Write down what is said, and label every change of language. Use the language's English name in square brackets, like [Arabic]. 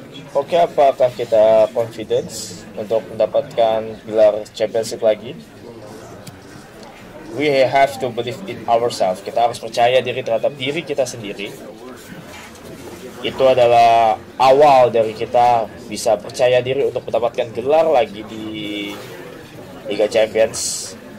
[Indonesian] Oke, apakah kita confidence untuk mendapatkan gelar Champions League lagi? [English] We have to believe in ourselves. [Indonesian] Kita harus percaya diri terhadap diri kita sendiri. Itu adalah awal dari kita bisa percaya diri untuk mendapatkan gelar lagi di Liga Champions.